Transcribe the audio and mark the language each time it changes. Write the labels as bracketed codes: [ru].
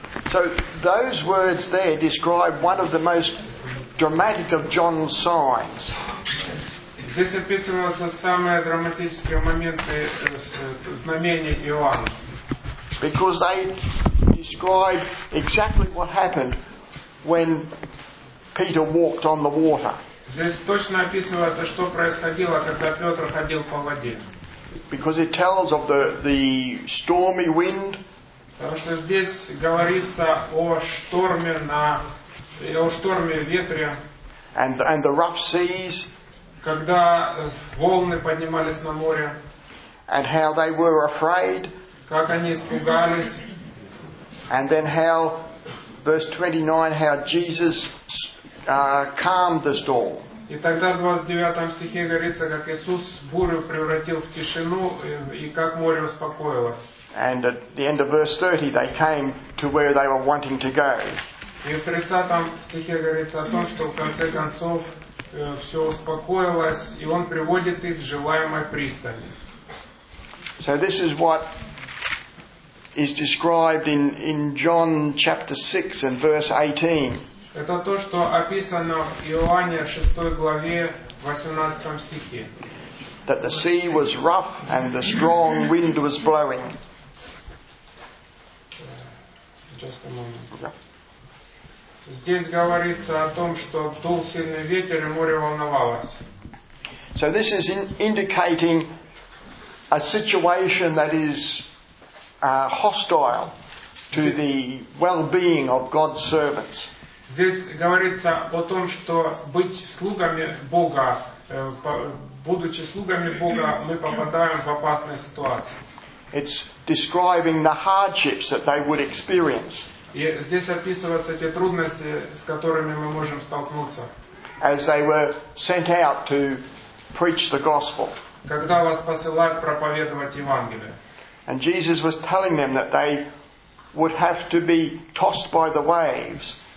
[en] So those words there describe one of the most dramatic of John's signs. [ru] Здесь описывается самое драматическое моменты знамения Иоанна. [en] Because they describe exactly what happened when Peter walked on the water. [ru] Здесь точно описывается, что происходило, когда Петр ходил по воде. [en] Because it tells of the stormy wind. [ru] Потому что здесь говорится о шторме ветре. [en] And the rough seas. [ru] Когда волны поднимались на море. [en] And how they were afraid. [ru] Как они испугались. [en] And then how, verse 29, how Jesus calmed the storm. [ru] И тогда в 29 стихе говорится, как Иисус бурю превратил в тишину и как море успокоилось. [en] And at the end of verse 30, they came to where they were wanting to go. [ru] И в 30 стихе говорится о том, что в конце концов все успокоилось, и он приводит их в желаемой пристани. [en] So this is what is described in John chapter 6 and verse 18. [ru] Это то, что описано в Иоанне 6 главе 18 стихе. [en] That the sea was rough and the strong wind was blowing. Just a moment. Yeah. [ru] Здесь говорится о том, что дул сильный ветер и море волновалось. [en] So this is indicating a situation that is hostile to the well-being of God's servants. [ru] Здесь говорится о том, что быть слугами Бога, будучи слугами Бога, мы попадаем в опасные ситуации. [en] It's describing the hardships that they would experience. [ru] И здесь описываются те трудности, с которыми мы можем столкнуться. [en] As they were sent out to preach the gospel. [ru] Когда вас посылают проповедовать Евангелие. [en] And Jesus was telling them that they would have to be tossed by the waves.